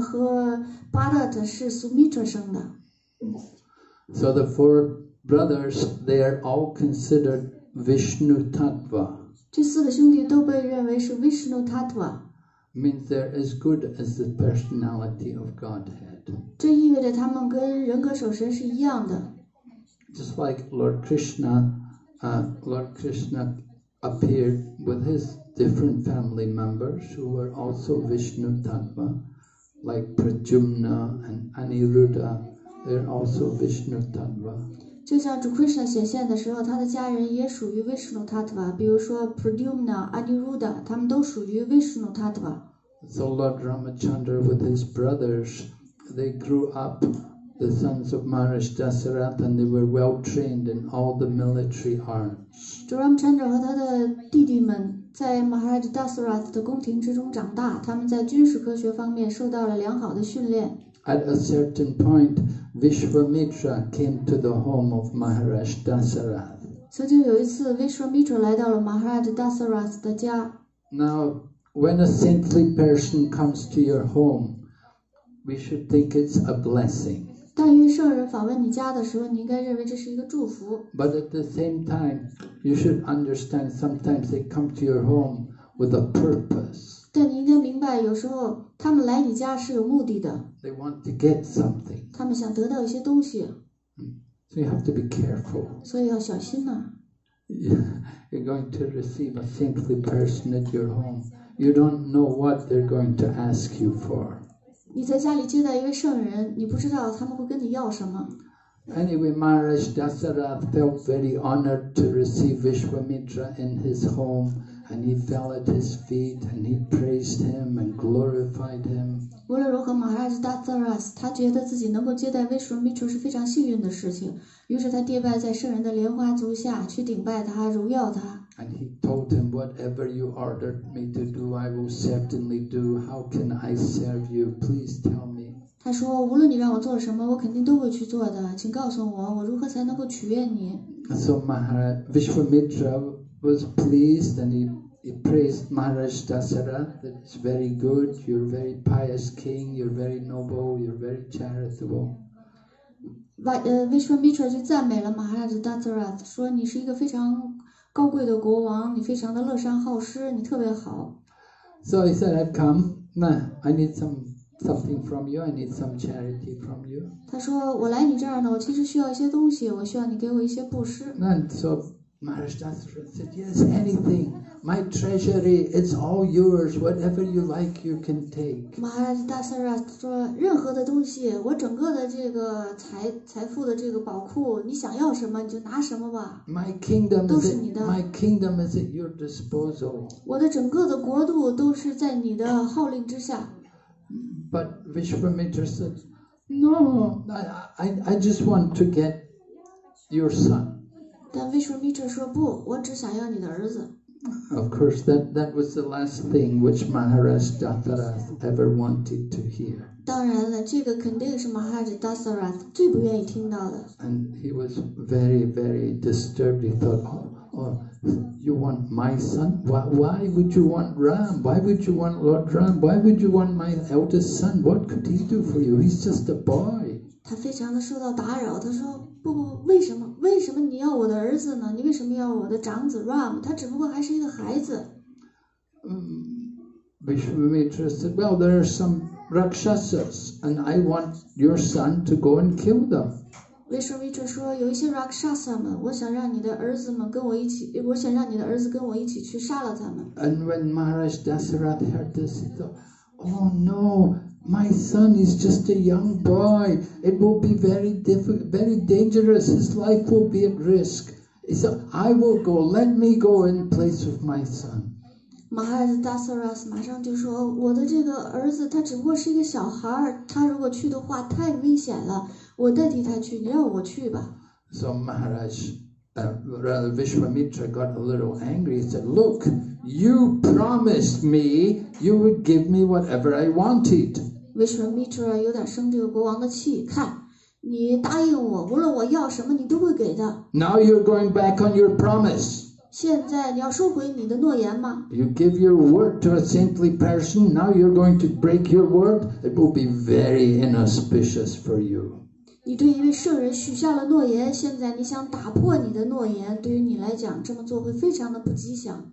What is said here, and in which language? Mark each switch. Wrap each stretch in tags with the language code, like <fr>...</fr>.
<zh>和 Bharat 是 Sumitra 生的。</zh> <en>So the four brothers, they are all consideredVishnu Tattva.</en> <zh>这四个兄弟都被认为是 Vishnu Tattva.</zh> <en>Means they're as good as the personality of Godhead.</en> <zh>这意味着他们跟人格守神是一样的。</zh> <en>Just like Lord Krishna, Lord Krishna appeared with his different family members who were also Vishnu Tattva, like Pradyumna and Aniruddha. They're also Vishnu Tattva.</en> <zh>就像主 Krishna 显现的时候，他的家人也属于 Vishnu Tattva， 比如说 Pradyumna、Aniruddha， 他们都属于 Vishnu Tattva。</zh> <en>So Lord Ramachandra with his brothers, they grew up the sons of Maharaj Dasarath, and they were well trained in all the military arts.</en> <zh>主 Ramachandra 和他的弟弟们在 Maharaj Dasarath 的宫廷之中长大，他们在军事科学方面受到了良好的训练。</zh> <en>At a certain point, Vishwamitra came to the home of Maharaj Dasarath.</en> <zh>曾经有一次 ，Vishwamitra 来到了 Maharaj Dasarath 的家。</zh> <en>Now, when a saintly person comes to your home, we should think it's a blessing.</en> <zh>当一位圣人访问你家的时候，你应该认为这是一个祝福。</zh> <en>But at the same time, you should understand sometimes they come to your home with a purpose.</en> <zh>但你应该明白，有时候他们来你家是有目的的。</zh> <en>They want to get something.</en> <zh>他们想得到一些东西。</zh> <en>So you have to be careful.</en> <zh>所以要小心呢。</zh> <en>You're going to receive a saintly person at your home. You don't know what they're going to ask you for.</en> <zh>你在家里接待一位圣人，你不知道他们会跟你要什么。</zh> <en>Anyway, Maharaj Dasarath felt very honored to receive Vishwamitra in his home, and he fell at his feet and he praised him and glorified him.</en> <zh>无论如何，马哈吉达萨拉斯他觉得自己能够接待威士密特是非常幸运的事情，于是他跌拜在圣人的莲花足下，去顶拜他，荣耀他。</zh> <en>And he told him, "Whatever you ordered me to do, I will certainly do. How can I serve you? Please tell me."</en> <zh>他说，无论你让我做什么，我肯定都会去做的。请告诉我，我如何才能够取悦你</zh> <en>？So Maharaj Vishwamitra was pleased, and he praised Maharaj Dasarath. That's very good. You're a very pious king. You're very noble. You're very charitable.</en> <zh>Vishwamitra 就赞美了 Maharaj Dasarath， 说你是一个非常高贵的国王，你非常的乐善好施，你特别好。</zh> <en>So he said, "I've come. Now I need something from you. I need some charity from you."</en> <zh>他说，我来你这儿呢，我其实需要一些东西，我需要你给我一些布施。</zh> <en>So Maharaj Dasarath said, "Yes, anything. My treasury, it's all yours. Whatever you like, you can take."</en> <zh>Maharaj Dasarath 说，任何的东西，我整个的这个财富的这个宝库，你想要什么你就拿什么吧。</zh> <en>My kingdom</en> <zh>都是你的。</zh> <en>My kingdom is at your disposal.</en> <zh>我的整个的国度都是在你的号令之下。</zh> <en>But Vishwamitra said, "No, I just want to get your son."</en> <zh>但 Vishwamitra 说不，我只想要你的儿子。</zh> <en>Of course, that was the last thing which Maharaj Dasarath ever wanted to hear.</en> <zh>当然了，这个肯定是 Maharaj Dasarath 最不愿意听到的。</zh> <en>And he was very, very disturbed. He thought, you want my son? Why would you want Ram? Why would you want Lord Ram? Why would you want my eldest son? What could he do for you? He's just a boy.</en> <zh>他非常的受到打扰，他说。为什么你要我的儿子呢？你为什么要我的长子 Ram？ 他只不过还是一个孩子。</zh> <en>Vishwamitra said, "Well, there are some Rakshasas, and I want your son to go and kill them."</en> <zh>Vishwamitra 说，有一些 Rakshasa 们，我想让你的儿子们跟我一起，我想让你的儿子跟我一起去杀了他们。</zh> <en>And when Maharaj Dasarath heard this, he thought, "Oh no!" My son is just a young boy. It will be very dangerous. His life will be at risk. So I will go. Let me go in place of my son.</en> <zh>Maharaj Dasarath 马上就说，我的这个儿子他只不过是一个小孩，他如果去的话太危险了，我代替他去，你让我去吧。</zh> <en>So Maharaj, Vishwamitra got a little angry. He said, "Look, you promised me you would give me whatever I wanted."</en> <zh>Vishwamitra 有点生这个国王的气，看，你答应我，无论我要什么，你都会给的。</zh> <en>Now you're going back on your promise.</en> <zh>现在你要收回你的诺言吗</zh> <en>？You give your word to a saintly person. Now you're going to break your word. It will be very inauspicious for you.</en> <zh>你对一位圣人许下了诺言，现在你想打破你的诺言，对于你来讲，这么做会非常的不吉祥。</zh>